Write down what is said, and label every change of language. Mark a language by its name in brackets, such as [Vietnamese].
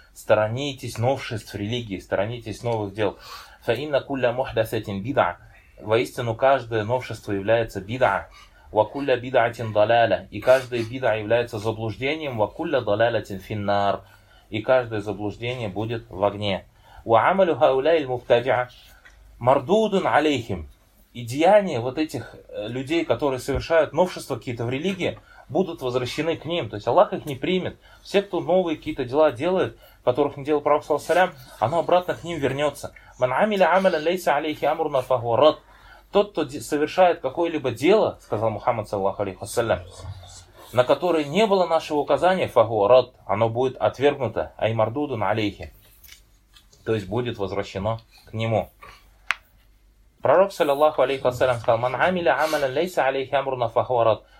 [Russian] Сторонитесь новшеств религии, сторонитесь новых дел. [Arabic] Фа инна кулля мухдасатин бида. [Russian] Воистину каждое новшество является бида. [Arabic] Вакулля бидаатин даляля. [Russian] И каждая бида является заблуждением. [Arabic] Вакулля далялятин финнар. [Russian] И каждое заблуждение будет в огне. [Arabic] وعمل هؤلاء المبتدع مردود عليهم. [Russian] И деяния вот этих людей, которые совершают новшества какие-то в религии, будут возвращены к ним. То есть Аллах их не примет. Все, кто новые какие-то дела делает, которых не делал пророк саллаллаху алейхи вассалям, оно обратно к ним вернется. [Arabic] من عمل عملا ليس عليه امرنا فهو رد. [Russian] Тот, кто совершает какое-либо дело, сказал Мухаммад саллаллаху алейхи вассалям, на которое не было нашего указания, [Arabic] فهو رد, [Russian] оно будет отвергнуто, [Arabic] ай мардуду алейхи. [Russian] То есть будет возвращено к нему. Пророк, саллиллаху алейхи вассалям, сказал: [Arabic] «Ман амиля амалян лейса алейхи амруна фахуа рад».